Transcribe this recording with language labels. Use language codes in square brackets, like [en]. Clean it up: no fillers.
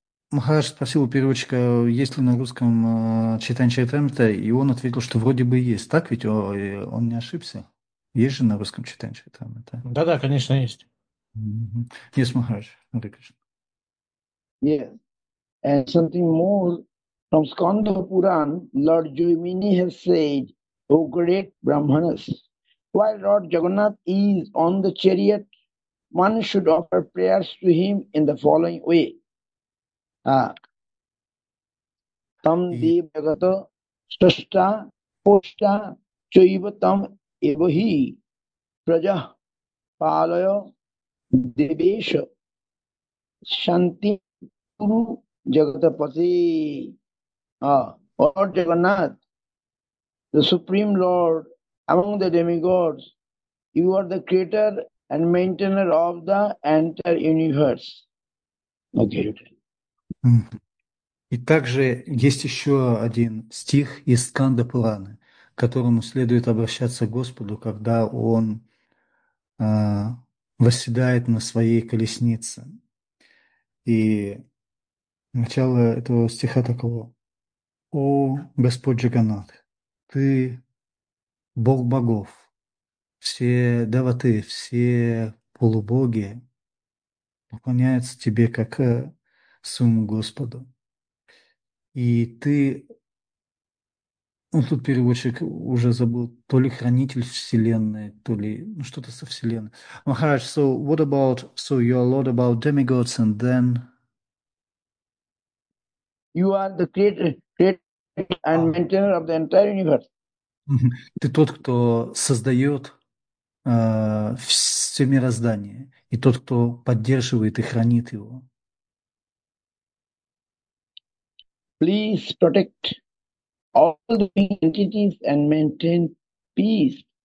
[ru] Махарадж спросил у переводчика, есть ли на русском Чайтанья Чаритамрита, и он ответил, что вроде бы есть. Так ведь он не ошибся? Есть же на русском Чайтанья Чаритамрита? Да-да, конечно, есть. Есть, Махарадж, Хари Кришна. [en] Yes. And something more, from Skanda Puran, Lord Jaimini has said, O great Brahmanas, while Lord Jagannath is on the chariot, one should offer prayers to him in the following way. [sa] Tam deva jagata srashta poshta chaivatam evahi praja palaya devesha shanti Jagatapati, [en] Lord Jagannath, the Supreme Lord, among the demigods, you are the creator and maintainer of the entire universe. Okay. [ru] И также есть еще один стих из Сканда Пураны, к которому следует обращаться к Господу, когда он восседает на своей колеснице. И начало этого стиха такого. О, Господь Джаганнат, Ты Бог богов, все даваты, все полубоги поклоняются Тебе как своему Господу. И Ты, ну тут переводчик уже забыл, то ли хранитель Вселенной, то ли ну, что-то со Вселенной. [en] Махарадж, so what about, so you're Lord about demigods and then... You are the creator and maintainer of the entire universe. [ru] Ты тот, кто создает все мироздание, и тот, кто поддерживает и хранит его. [en] Please protect all the entities and maintain peace.